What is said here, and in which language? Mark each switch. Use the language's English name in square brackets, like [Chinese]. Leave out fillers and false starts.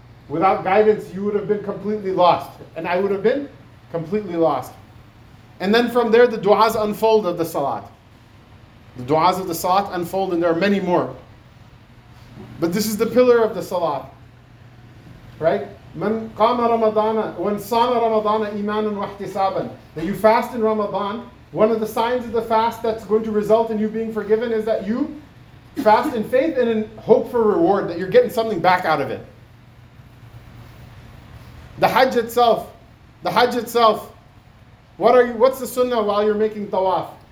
[English] Without guidance, you would have been completely lost. And I would have been completely lost. And then from there, the du'as unfold of the salat. The du'as of the salat unfold, and there are many more. But this is the pillar of the salat. Right? [Arabic] من قام رمضان ومن صام رمضان إيمانا واحتسابا. [English] That you fast in Ramadan, one of the signs of the fast that's going to result in you being forgiven is that you fast in faith and in hope for reward, that you're getting something back out of it. The Hajj itself, what's the sunnah while you're making tawaf?